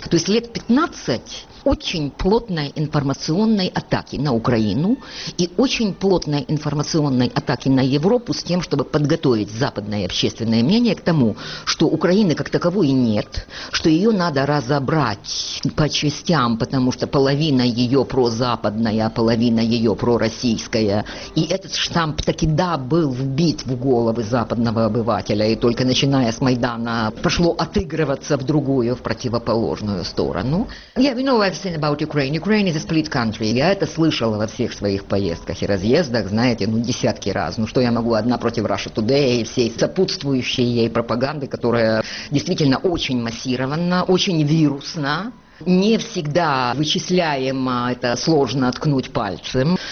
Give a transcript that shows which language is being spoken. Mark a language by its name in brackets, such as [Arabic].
[Russian] То есть лет 15 очень плотной информационной атаки на Украину и очень плотной информационной атаки на Европу с тем, чтобы подготовить западное общественное мнение к тому, что Украины как таковой нет, что ее надо разобрать по частям, потому что половина ее прозападная, половина ее пророссийская. И этот штамп таки да, был вбит в головы западного обывателя, и только начиная с Майдана пошло отыгрываться в другую, в противоположную сторону. [English] Yeah, we know everything about Ukraine. Ukraine is a split country. [Russian] Я это слышала во всех своих поездках и разъездах, знаете, ну, десятки раз. Ну, что я могу одна против Russia Today и всей сопутствующей ей пропаганды, которая действительно очень массирована, очень вирусна. Не всегда вычисляемо, это сложно ткнуть пальцем.